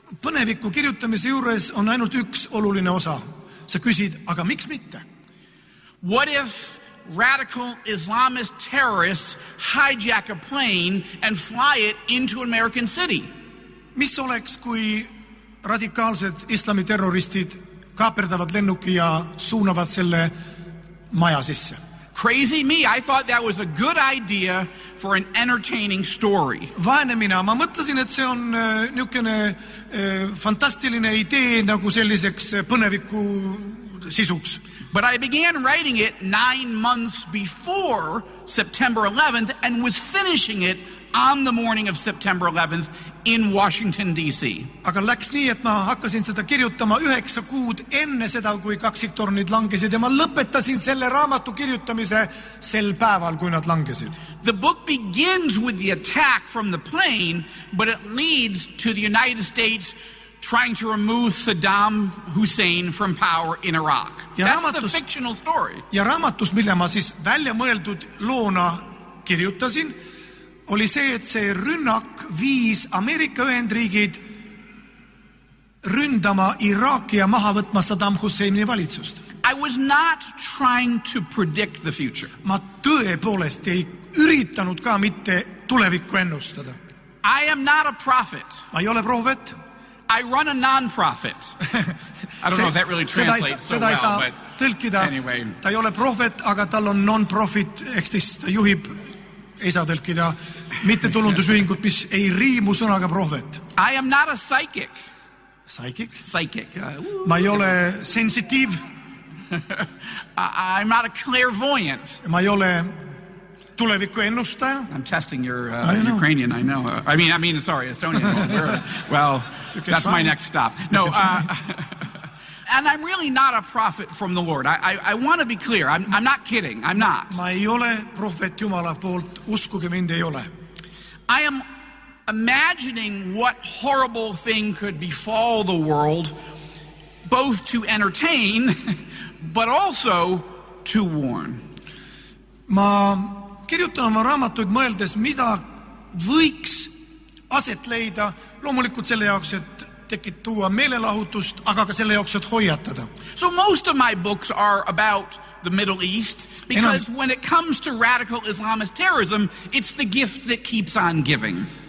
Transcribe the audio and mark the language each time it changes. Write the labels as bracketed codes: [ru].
[et] Põneviku kirjutamise juures on ainult üks oluline osa. Sa küsid, aga miks mitte? [en] What if radical Islamist terrorists hijack a plane and fly it into an American city? [et] Mis oleks, kui radikaalsed islamiterroristid kaaperdavad lennuki ja suunavad selle maja sisse? [en] Crazy me, I thought that was a good idea for an entertaining story. [et] Vaene mina, ma mõtlesin, et see on niukene fantastiline idee nagu selliseks põneviku sisuks. [en] But I began writing it 9 months before September 11th and was finishing it on the morning of September 11th in Washington, D.C. [et] Aga läks nii, et ma hakkasin seda kirjutama 9 kuud enne seda, kui kaksiktornid langesid ja ma lõpetasin selle raamatu kirjutamise sel päeval, kui nad langesid. [en] The book begins with the attack from the plane, but it leads to the United States trying to remove Saddam Hussein from power in Iraq. That's the fictional story. [et] Ja raamatus, mille ma siis välja mõeldud loona kirjutasin, oli see, et see rünnak viis Ameerika Ühendriigid ründama Iraaki ja maha võtma Saddam Husseini valitsust. [en] I was not trying to predict the future. [et] Ma tõepoolest ei üritanud ka mitte tulevikku ennustada. [en] I am not a prophet. [et] Ma ei ole prohvet. [en] I run a non-profit. I don't know if that really translates [et] seda ei [en] so well, but [et] tõlkida. [en] Anyway. [et] Ta ei ole prohvet, aga tal on non-profit, eks siis ta juhib, ei saa tõlkida, mitte tulundusühingut, mis ei riimu sõnaga prohvet. [en] I am not a psychic. Psychic? Psychic. [et] Ma ei ole sensitiiv. [en] I'm not a clairvoyant. [et] Ma ei ole tuleviku ennustaja. [en] I'm testing your Ukrainian, I know. I mean, sorry, Estonian. Well, that's try. My next stop. No, and I'm really not a prophet from the Lord. I want to be clear. I'm not kidding. I'm not. [et] Ma ei ole prophet Jumala poolt. Uskuge mind, ei ole. [en] I am imagining what horrible thing could befall the world, both to entertain, but also to warn. [et] Ma kirjutan oma raamatuid mõeldes, mida võiks aset leida, loomulikult selle jaoks, et tekid tuua meelelahutust, aga ka selle jaoks, et hoiatada. [en] So most of my books are about the Middle East, because when it comes to radical Islamist terrorism, it's the gift that keeps on giving.